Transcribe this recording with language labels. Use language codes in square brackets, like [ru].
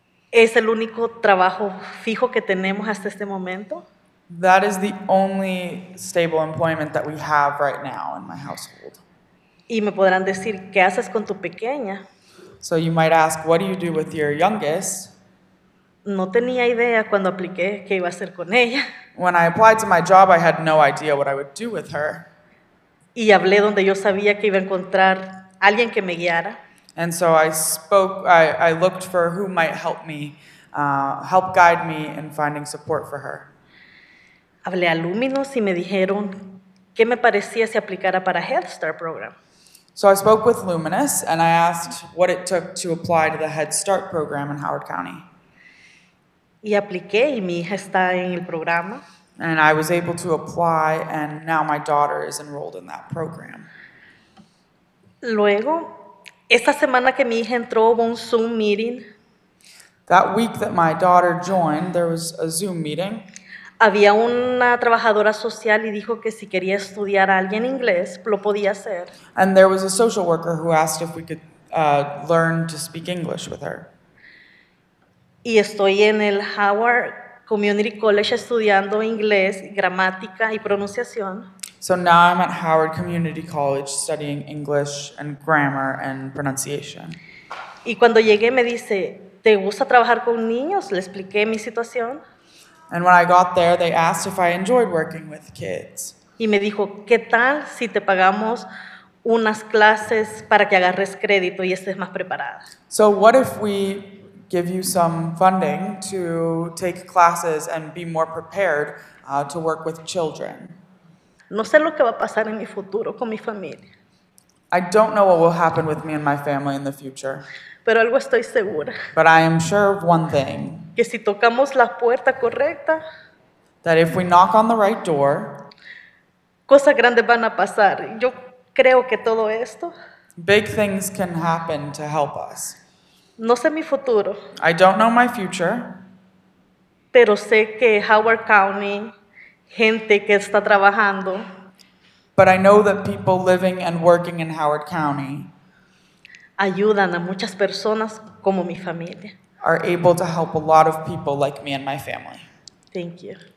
[es] Es el único trabajo fijo que tenemos hasta este momento. [en] That is the only stable employment that we have right now in my household. [es] Y me podrán decir, ¿qué haces con tu pequeña? [en] So you might ask, what do you do with your youngest? [es] No tenía idea cuando apliqué qué iba a hacer con ella. [en] When I applied to my job, I had no idea what I would do with her. [es] Y hablé donde yo sabía que iba a encontrar alguien que me guiara. [en] And so I looked for who might help me, help guide me in finding support for her. [es] Hablé a Luminous y me dijeron qué me parecía si aplicara para Head Start program. [en] So I spoke with Luminous and I asked what it took to apply to the Head Start program in Howard County. [es] Y apliqué y mi hija está en el programa. [en] And I was able to apply and now my daughter is enrolled in that program. [es] Luego, esta semana que mi hija entró hubo un Zoom meeting. [en] That week that my daughter joined, there was a Zoom meeting. [es] Había una trabajadora social y dijo que si quería estudiar a alguien inglés, lo podía hacer. [en] And there was a social worker who asked if we could learn to speak English with her. [es] Y estoy en el Howard Community College estudiando inglés, gramática y pronunciación. [en] So now I'm at Howard Community College studying English and grammar and pronunciation. [es] Y cuando llegué me dice, ¿te gusta trabajar con niños? Le expliqué mi situación. [en] And when I got there, they asked if I enjoyed working with kids. [es] Y me dijo, ¿qué tal si te pagamos unas clases para que agarres crédito y estés más preparada? [en] So what if we give you some funding to take classes and be more prepared to work with children? [es] No sé lo que va a pasar en mi futuro con mi familia. [en] I don't know what will happen with me and my family in the future. [es] Pero algo estoy segura. [en] But I am sure of one thing. [es] Que si tocamos la puerta correcta, [en] that if we knock on the right door, [es] cosas grandes van a pasar. Yo creo que todo esto, [en] big things can happen to help us. [es] No sé mi futuro. [en] I don't know my future. [es] Pero sé que Howard County, gente que está trabajando, [en] but I know that people living and working in Howard County [es] ayudan a muchas personas como mi familia. [en] Are able to help a lot of people like me and my family. Thank you.